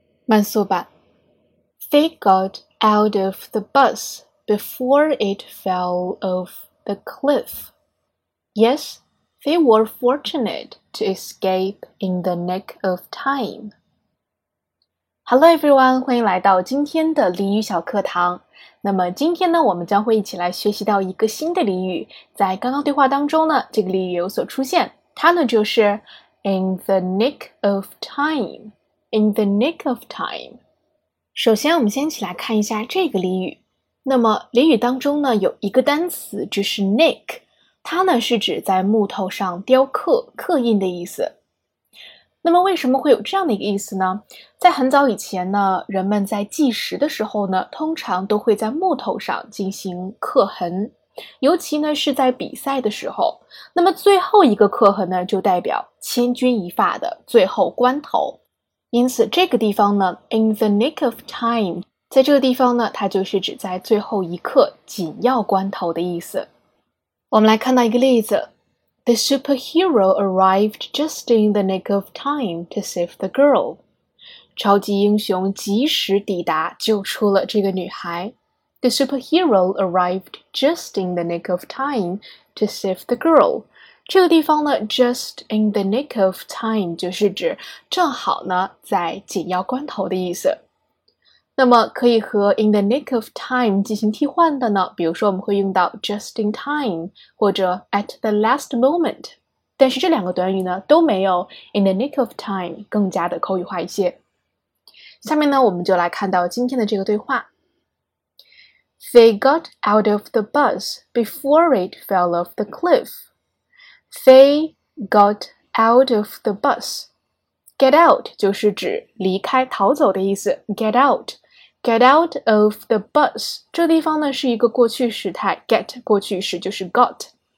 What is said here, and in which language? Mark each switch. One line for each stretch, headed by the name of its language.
Chinese: 慢速吧。
English: They got out of the bus before it fell off the cliff. Yes, they were fortunate to escape in the nick of time. Hello, everyone.
Chinese: 欢迎来到今天的俚语小课堂。那么今天呢，我们将会一起来学习到一个新的俚语。在刚刚对话当中呢，这个俚语有所出现，它呢就是
English: in the nick of time,
Chinese: in the nick of time。首先，我们先一起来看一下这个俚语。那么俚语当中呢，有一个单词就是 nick， 它呢是指在木头上雕刻、刻印的意思。那么为什么会有这样的一个意思呢？在很早以前呢，人们在计时的时候呢，通常都会在木头上进行刻痕，尤其呢是在比赛的时候。那么最后一个刻痕呢，就代表千钧一发的最后关头。因此这个地方呢 ，
English: in the nick of time，
Chinese: 在这个地方呢，它就是指在最后一刻紧要关头的意思。我们来看到一个例子。
English: The superhero arrived just in the nick of time to save the girl.
Chinese: 超级英雄及时抵达，救出了这个女孩。
English: The superhero arrived just in the nick of time to save the girl.
Chinese: 这个地方呢 ,
English: just in the nick of time
Chinese: 就是指正好呢在紧要关头的意思。那么可以和
English: in the nick of time
Chinese: 进行替换的呢，比如说我们会用到
English: just in time
Chinese: 或者
English: at the last moment，
Chinese: 但是这两个短语呢都没有 in the nick of time 更加的口语化一些。下面呢我们就来看到今天的这个对话。
English: They got out of the bus before it fell off the cliff. They got out of the bus. Get out
Chinese: 就是指离开逃走的意思。
English: Get out of the bus，
Chinese: 这地方呢是一个过去时态 ，get 过去时就是 got。